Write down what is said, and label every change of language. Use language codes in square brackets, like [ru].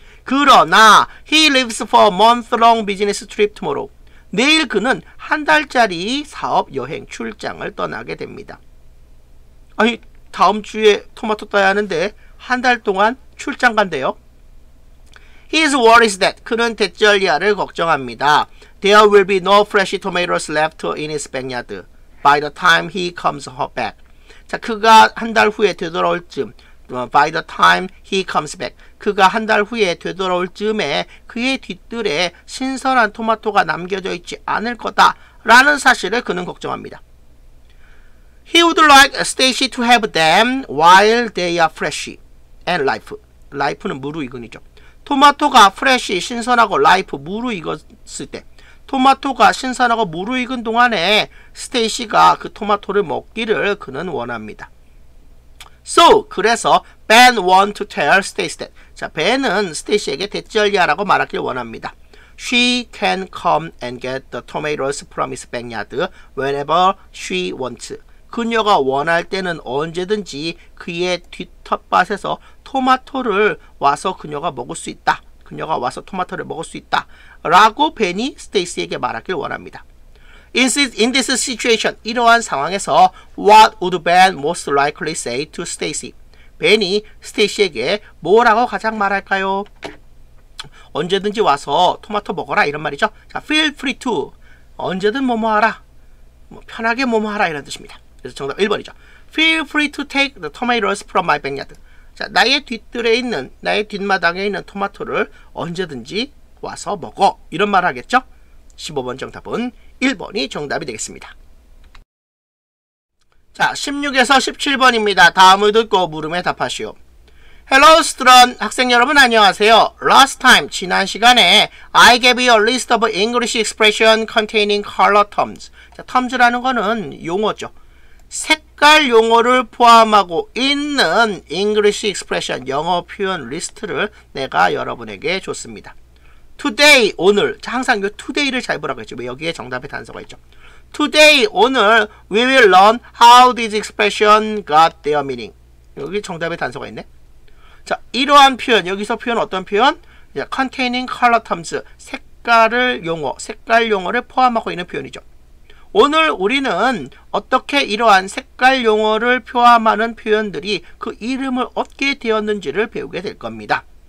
[en] 그러나, he leaves for a month long business trip tomorrow. [ko] 내일 그는 한 달짜리 사업 여행 출장을 떠나게 됩니다. 아니, 다음 주에 토마토 따야 하는데, 한 달 동안 출장 간대요. [en] His worry is that, [ko] 그는 대절리아를 걱정합니다. [en] There will be no fresh tomatoes left in his backyard by the time he comes back. [ko] 자, 그가 한 달 후에 되돌아올 즈음, [en] by the time he comes back. [ko] 그가 한 달 후에 되돌아올 즈음에 그의 뒤뜰에 신선한 토마토가 남겨져 있지 않을 거다라는 사실을 그는 걱정합니다. [en] He would like Stacy to have them while they are fresh and ripe. [ko] Ripe는 무르익은이죠. 토마토가 fresh, 신선하고 ripe, 무르익었을 때, 토마토가 신선하고 무르익은 동안에 스테이시가 그 토마토를 먹기를 그는 원합니다. [en] So, 그래서 Ben want to tell Stacy that. [ko] 자, Ben은 스테이시에게 대절리아라고 말하길 원합니다. [en] She can come and get the tomatoes from his backyard whenever she wants. [ko] 그녀가 원할 때는 언제든지 그의 뒷텃밭에서 토마토를 와서 그녀가 먹을 수 있다. 그녀가 와서 토마토를 먹을 수 있다. 라고 벤이 스테이시에게 말하길 원합니다. [en] In this situation, [ko] 이러한 상황에서 [en] What would Ben most likely say to Stacy? [ko] 벤이 스테이시에게 뭐라고 가장 말할까요? 언제든지 와서 토마토 먹어라 이런 말이죠. 자, [en] feel free to [ko] 언제든 뭐뭐하라 뭐 편하게 뭐뭐하라 이런 뜻입니다. 그래서 정답 1번이죠. [en] Feel free to take the tomatoes from my backyard. [ko] 자, 나의 뒤뜰에 있는 나의 뒷마당에 있는 토마토를 언제든지 와서 먹어 이런 말 하겠죠. 15번 정답은 1번이 정답이 되겠습니다. 자, 16에서 17번입니다 다음을 듣고 물음에 답하시오. [en] Hello, student. [ko] 학생 여러분 안녕하세요. [en] Last time, [ko] 지난 시간에 [en] I gave you a list of English expression containing color terms. [ko] 자, terms라는 거는 용어죠. 색깔 용어를 포함하고 있는 English expression, 영어 표현 리스트를 내가 여러분에게 줬습니다. Today, 오늘, 자, 항상 이 today를 잘 보라고 했죠. 여기에 정답의 단서가 있죠. [en] Today, 오늘, we will learn how these expressions got their meaning. [ko] 여기 정답의 단서가 있네. 자, 이러한 표현, 여기서 표현 어떤 표현? [en] Containing color terms, [ko] 색깔을 용어, 색깔 용어를 포함하고 있는 표현이죠. 오늘 우리는 어떻게 이러한 색깔 용어를 포함하는 표현들이 그 이름을 얻게 되었는지를 배우게 될 겁니다.